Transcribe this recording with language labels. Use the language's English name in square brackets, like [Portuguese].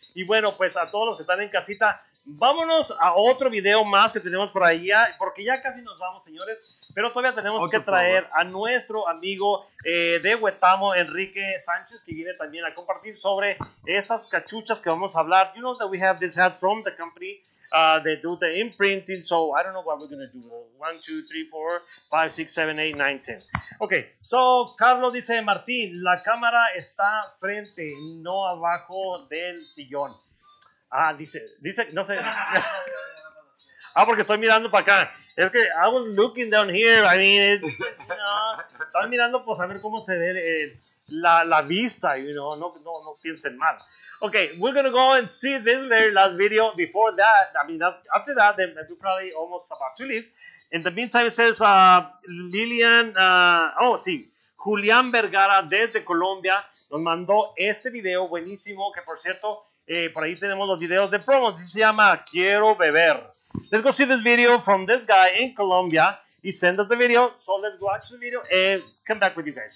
[Spanish] Y bueno, pues a todos los que están en casita, vámonos a otro video más que tenemos por ahí, porque ya casi nos vamos, señores. Pero todavía tenemos que traer a nuestro amigo de Huetamo, Enrique Sánchez, que viene también a compartir sobre estas cachuchas que vamos a hablar. [English] You know that we have this hat from the company that do the imprinting, so I don't know what we're going to do. 1, 2, 3, 4, 5, 6, 7, 8, 9, 10. [Spanish] Okay, so Carlos dice, Martín, la cámara está frente, no abajo del sillón. Ah, dice, no sé. Ah, porque estoy mirando para acá. Es que [English] I was looking down here. I mean, it's, [Spanish] están mirando pues a ver cómo se ve la vista, [English] you know. [Spanish] No piensen mal. [English] Okay, we're gonna go and see this very last video. Before that, I mean, after that, then we're probably almost about to leave. In the meantime, it says Lilian. [Spanish] Julián Vergara desde Colombia nos mandó este video buenísimo. Que por cierto, por ahí tenemos los videos de promo. Se llama Quiero Beber. [English] Let's go see this video from this guy in Colombia. He sent us the video, so let's watch the video and come back with you guys.